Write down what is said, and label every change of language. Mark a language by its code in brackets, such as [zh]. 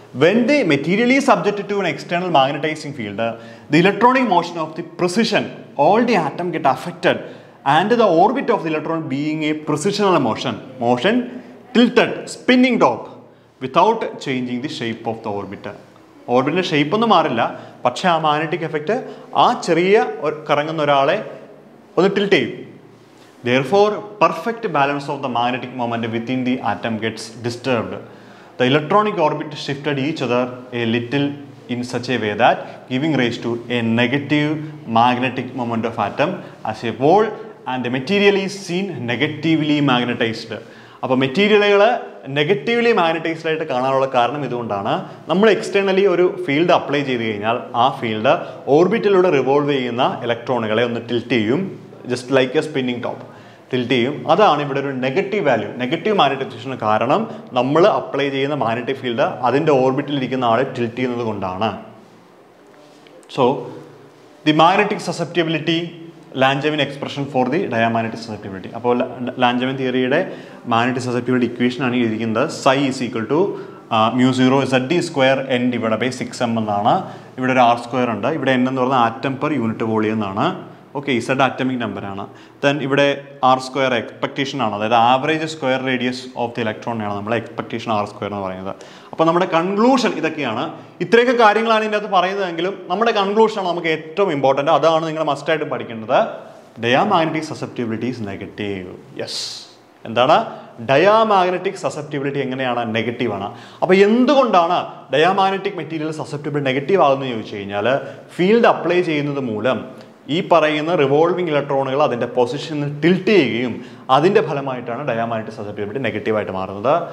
[en] When the material is subjected to an external magnetising field the electronic motion of the precession all the atom get affected and the orbit of the electron being a precessional motion tilted spinning top without changing the shape of the orbit. [ml] ഓർബിറ്റിൻ്റെ ഷെയ്പ്പൊന്നും മാറില്ല, പക്ഷേ ആ magnetic effect ആ ചെറിയ കറങ്ങുന്ന ഒരാളെ ഒന്ന് tilt ചെയ്യും. [en] Therefore, perfect balance of the magnetic moment within the atom gets disturbed. The electronic orbit shifted each other a little in such a way that giving rise to a negative magnetic moment of atom as a whole and the material is seen negatively magnetized. [ml] അപ്പോൾ മെറ്റീരിയലുകൾ negatively magnetised ആയിട്ട് കാണാനുള്ള കാരണം ഇതുകൊണ്ടാണ്. നമ്മൾ externally ഒരു field apply ചെയ്ത് കഴിഞ്ഞാൽ ആ ഫീൽഡ് ഓർബിറ്റിലൂടെ റിവോൾവ് ചെയ്യുന്ന ഇലക്ട്രോണുകളെ ഒന്ന് ടിൽറ്റ് ചെയ്യും, [en] just like a spinning top [ml] tilt ചെയ്യും. അതാണ് ഇവിടെ ഒരു നെഗറ്റീവ് വാല്യൂ, നെഗറ്റീവ് മാഗ്നറ്റൈസേഷന് കാരണം നമ്മൾ അപ്ലൈ ചെയ്യുന്ന മാഗ്നറ്റിക് ഫീൽഡ് അതിൻ്റെ ഓർബിറ്റിലിരിക്കുന്ന ആളെ ടിൽറ്റ് ചെയ്യുന്നത് കൊണ്ടാണ്. [en] So the magnetic susceptibility Langevin expression for the diamagnetic susceptibility. [ml] അപ്പോൾ ലാഞ്ചമിൻ തിയറിയുടെ മാഗ്നറ്റിക് സസെപ്റ്റബിലിറ്റി ഇക്വേഷനാണ് എഴുതിയിരിക്കുന്നത്. [en] psi is equal to μ0 Z² (N)/6 [ml] എന്നാണ്. ഇവിടെ ഒരു R² ഉണ്ട്. ഇവിടെ N എന്ന് പറഞ്ഞാൽ ആറ്റം പെർ യൂണിറ്റ് വോളിയം എന്നാണ്. ഓക്കെ, ഇസഡ് ആറ്റമിക് നമ്പറാണ്. ദെൻ ഇവിടെ R² എക്സ്പെക്ടേഷനാണ്, അതായത് average square radius of the ഇലക്ട്രോണിനാണ് നമ്മൾ എക്സ്പെക്ടേഷൻ R² എന്ന് പറയുന്നത്. അപ്പോൾ നമ്മുടെ കൺക്ലൂഷൻ ഇതൊക്കെയാണ്. ഇത്രയൊക്കെ കാര്യങ്ങളാണ് ഇതിനകത്ത് പറയുന്നതെങ്കിലും നമ്മുടെ കൺക്ലൂഷനാണ് നമുക്ക് ഏറ്റവും ഇമ്പോർട്ടൻറ്റ്. അതാണ് നിങ്ങൾ മസ്റ്റായിട്ട് പഠിക്കേണ്ടത്. [en] Diamagnetic susceptibility is negative. Yes. [ml] എന്താണ് ഡയാമാഗ്നറ്റിക് സസെപ്റ്റിബിലിറ്റി എങ്ങനെയാണ് നെഗറ്റീവാണ്. അപ്പോൾ എന്തുകൊണ്ടാണ് ഡയാമാഗ്നറ്റിക് മെറ്റീരിയൽ സസെപ്റ്റിബിലിറ്റി നെഗറ്റീവ് ആകുന്നത് ചോദിച്ചു കഴിഞ്ഞാൽ, ഫീൽഡ് അപ്ലൈ ചെയ്യുന്നത് മൂലം ഈ പറയുന്ന റിവോൾവിംഗ് ഇലക്ട്രോണുകൾ അതിൻ്റെ പൊസിഷനിൽ ടിൽറ്റ് ചെയ്യുകയും അതിൻ്റെ ഫലമായിട്ടാണ് ഡയാമാഗ്നറ്റിക് സസെപ്റ്റിബിലിറ്റി നെഗറ്റീവായിട്ട് മാറുന്നത്.